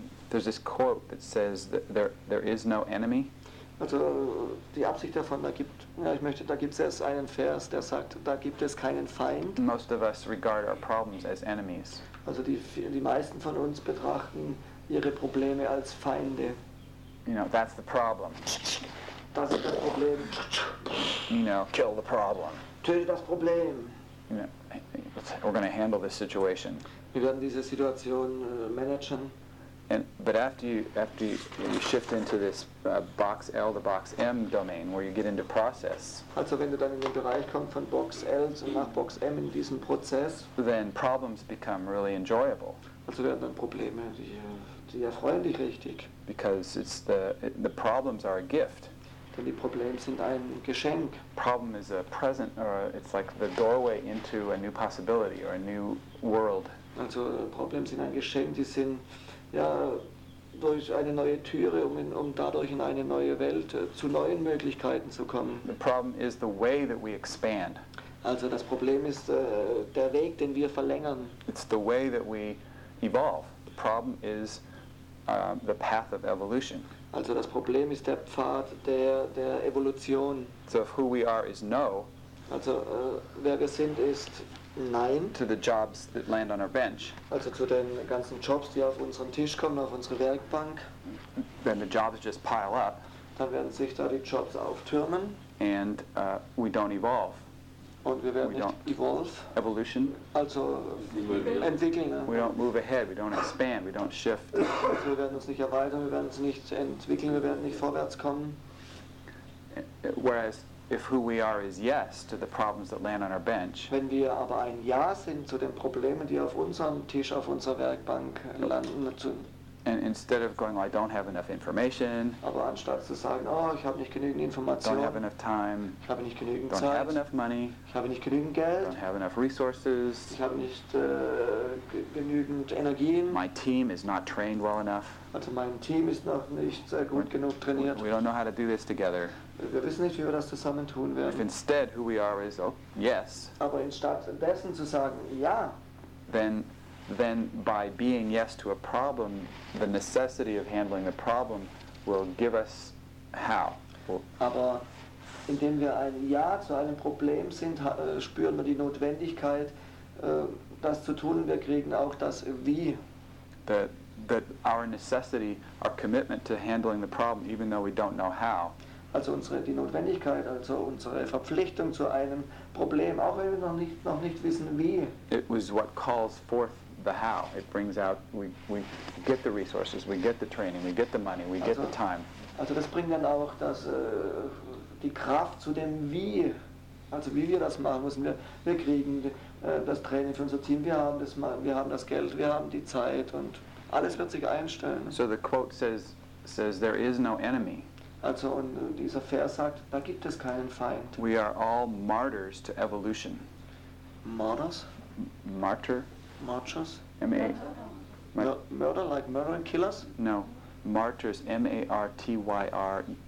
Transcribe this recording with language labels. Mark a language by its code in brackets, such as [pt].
[en] There's this quote that says that there is no enemy. [de] Also die Absicht davon, da gibt es erst einen Vers, der sagt, da gibt es keinen Feind. [en] Most of us regard our problems as enemies. [de] Also die meisten von uns betrachten ihre Probleme als Feinde. [en] You know, that's the problem. [de] Das ist das Problem. [en] You know, kill the problem. [de] Töte das Problem. [en] You know, we're going to handle this situation. [de] Wir werden diese Situation managen. [en] But after you shift into this box L, the box M domain, where you get into process. [de] Also, wenn du dann in den Bereich kommst von Box L und nach Box M in diesem Prozess. [en] Then problems become really enjoyable. [de] Also werden dann Probleme, die erfreuen dich richtig. [en] Because it's the problems are a gift. [de] Denn die Probleme sind ein Geschenk. [en] Problem is a present, or it's like the doorway into a new possibility or a new world. [de] Also Probleme sind ein Geschenk. Die sind ja durch eine neue Türe, um dadurch in eine neue Welt zu neuen Möglichkeiten zu kommen. [en] The problem is the way that we expand. [de] Also das Problem ist der Weg, den wir verlängern. [en] It's the way that we evolve. The problem is the path of evolution. [de] Also das Problem ist der Pfad der Evolution. [en] So if who we are is no. [de] Also wer wir sind ist nein. [en] To the jobs that land on our bench. [de] Also zu den ganzen Jobs, die auf unseren Tisch kommen, auf unsere Werkbank. [en] Then the jobs just pile up. [de] Dann werden sich da die Jobs auftürmen. [en] And we don't evolve. [de] Und wir werden nicht evolve. [en] Evolution. [de] Also entwickeln. [en] We don't move ahead. We don't expand. We don't shift. [de] Also wir werden uns nicht erweitern. Wir werden uns nicht entwickeln. Wir werden nicht vorwärts kommen. [en] Whereas if who we are is yes to the problems that land on our bench. [de] Wenn wir aber ein Ja sind zu den Problemen, die auf unserem Tisch, auf unserer Werkbank landen. [en] And instead of going, well, I don't have enough information. [de] Aber anstatt zu sagen, oh, ich habe nicht genügend Information. [en] Don't have enough time. [de] Ich habe nicht genügend [en] Zeit. Don't have enough money. [de] Ich habe nicht genügend Geld. [en] Don't have enough resources. [de] Ich habe nicht genügend Energien. [en] My team is not trained well enough. [de] Also mein Team ist noch nicht sehr gut genug trainiert. [en] We don't know how to do this together. [de] Wir wissen nicht, wie wir das zusammen tun werden. [en] If instead who we are is, oh, yes. [de] Aber anstatt dessen zu sagen, ja. [en] Then by being yes to a problem, the necessity of handling the problem will give us how. [de] Aber indem wir ein Ja zu einem Problem sind, spüren wir die Notwendigkeit, das zu tun. Wir kriegen auch das Wie. [en] That our necessity, our commitment to handling the problem, even though we don't know how. [de] Also die Notwendigkeit, also unsere Verpflichtung zu einem Problem, auch wenn wir noch nicht wissen, wie. [en] It was what calls forth the how. It brings out, we get the resources, we get the training, we get the money, we get the time. [de] Also das bringt dann auch das die Kraft zu dem Wie. Also wie wir das machen müssen. Wir kriegen das Training für unser Team, wir haben das Geld, wir haben die Zeit und alles wird sich einstellen. [en] So the quote says there is no enemy. [de] Also und dieser Vers sagt, da gibt es keinen Feind. [en] We are all martyrs to evolution. Martyrs? Martyr. Martyrs? M-A. Murder, like murder and killers? No. Martyrs, M-A-R-T-Y-R.